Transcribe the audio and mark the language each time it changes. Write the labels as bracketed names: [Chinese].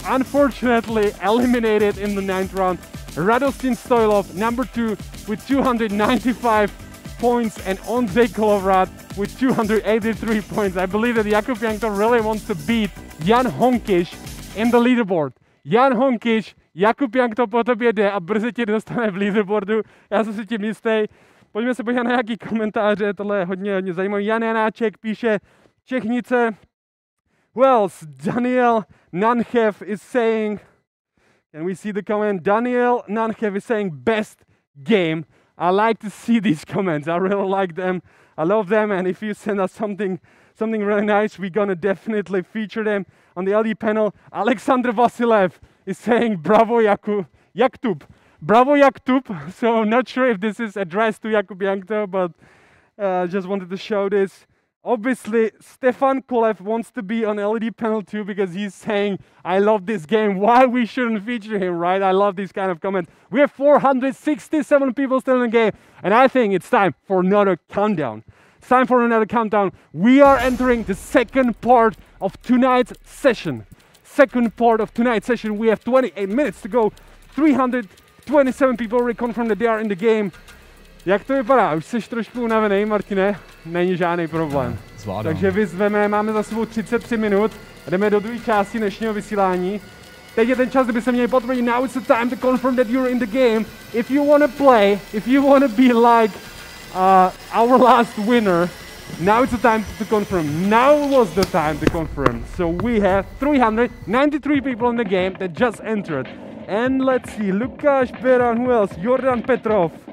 [English] Unfortunately, eliminated in the 9th round. Radostin Stoilov, number two, with 295 points, and Ondřej Kolovrat with 283 points. I believe that Jakub Jankto really wants to beat Jan Honkiš in the leaderboard. [Czech] Jan Honkiš, Jakub Jankto po tobě jde a brzy tě dostane v leaderboardu. Já jsem si tím jistý. Pojďme se podívat na nějaký komentáře, tohle je hodně, hodně zajímavé. Jan Janáček píše Čechnice. [English] Wells, Daniel Nanchev is saying, can we see the comment? Daniel Nanchev is saying best game. I like to see these comments. I really like them. I love them. And if you send us something really nice, we're gonna definitely feature them on the LD panel. Alexander Vasilev is saying bravo Jaktub. Bravo Jaktub. So I'm not sure if this is addressed to Jakub Jankto, but just wanted to show this. Obviously, Stefan Kulev wants to be on LED panel too because he's saying, I love this game, why we shouldn't feature him, right? I love these kind of comments. We have 467 people still in the game, and I think it's time for another countdown. It's time for another countdown. We are entering the second part of tonight's session. We have 28 minutes to go. 327 people already confirmed that they are in the game. [Czech] Jak to vypadá? Už jsi trošku unavený, Martine? Není žádný problém. Zvládám. Takže vyzveme, máme za sebou 33 minut. Jdeme do druhé části dnešního vysílání. Teď je ten čas, kdyby se měli potvrdit. [English] Now it's the time to confirm that you're in the game. If you want to play, if you want to be like our last winner, now it's the time to confirm. Now was the time to confirm. So we have 393 people in the game that just entered. And let's see, Lukáš Beran, who else? Jordan Petrov.